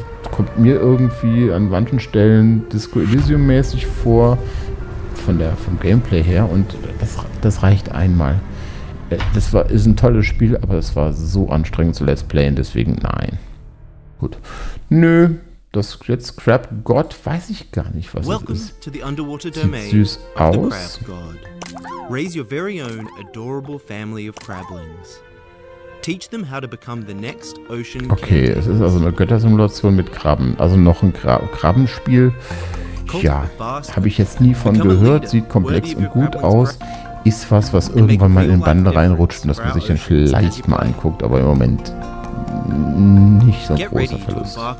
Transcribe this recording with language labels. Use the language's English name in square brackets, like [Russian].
[German] Kommt mir irgendwie an manchen Stellen Disco Elysium-mäßig vor, vom Gameplay her, und das reicht einmal. Ist ein tolles Spiel, aber es war so anstrengend zu Let's Playen, deswegen nein. Gut. Nö, das jetzt Crab God, weiß ich gar nicht, was Welcome es ist. Sieht süß aus. [English] Raise your very own adorable family of crablings. Teach them how to become the next ocean. [German] Okay, es ist also eine Göttersimulation mit Krabben. Also noch ein Krabbenspiel. Ja, habe ich jetzt nie von gehört. Sieht komplex und gut aus. Ist was irgendwann mal in den Bundle reinrutscht und das man sich dann vielleicht mal anguckt. Aber im Moment nicht so ein großer Verlust.